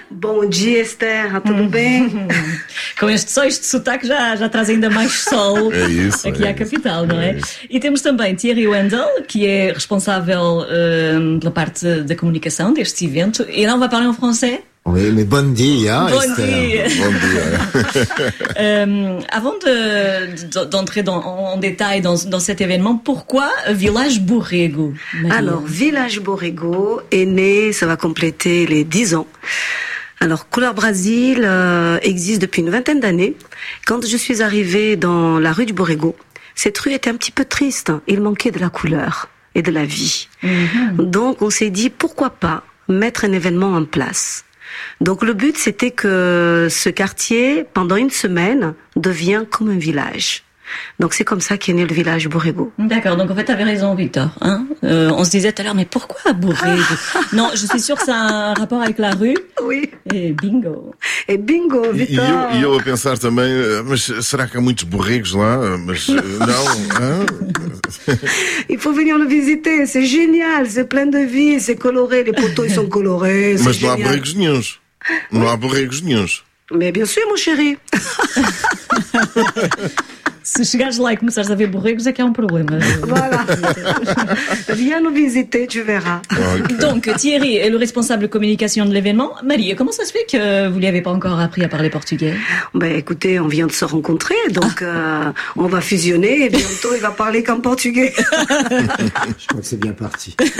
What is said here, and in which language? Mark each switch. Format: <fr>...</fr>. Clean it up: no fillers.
<pt>Bom dia, Esther. Tudo bem? Com este só este sotaque já traz ainda mais sol à capital, não é? E temos também Thierry Wendel, que é responsável pela parte da comunicação deste evento. E não vai falar em francês? Bom dia, Esther. Bom dia.</pt> <fr>Avant d'entrer en détail dans cet événement, pourquoi Village Borrego, Maria? Alors, Village Borrego est né, ça va compléter les 10 ans. Alors, Couleur Brasil existe depuis une vingtaine d'années. Quand je suis arrivée dans la rue du Borrego, cette rue était un petit peu triste. Il manquait de la couleur et de la vie. Donc, on s'est dit, pourquoi pas mettre un événement en place? Donc le but, c'était que ce quartier, pendant une semaine, devienne comme un village. Donc c'est comme ça qu'est né le village Borrego. D'accord, donc en fait, tu avais raison, Victor. Hein, on se disait tout à l'heure, mais pourquoi Borrego? Non, je suis sûre que ça a un rapport avec la rue. Oui. Et bingo, Victor.</fr> <pt>Et eu a pensar também, mas será que há muitos borregos lá? Mas não, hein?</pt> <fr>Il faut venir le visiter, c'est génial, c'est plein de vie, c'est coloré, les poteaux ils sont colorés. Mais non,</fr> <pt>borregos nenhums.</pt> <fr>Non,</fr> <pt>borregos nenhums.</pt> <fr>Mais bien sûr, mon chéri.</fr> <pt>Se chegares lá e começares a ver borregos, é que é um problema.</pt> <fr>Voilà. Viens nous visiter, tu verras. Okay. Donc, Thierry est le responsable de communication de l'événement. Maria, comment ça se fait que vous n'avez pas encore appris à parler portugais? Ben, écoutez, on vient de se rencontrer, donc on va fusionner et bientôt il va parler qu'en portugais. Je crois que c'est bien parti.</fr>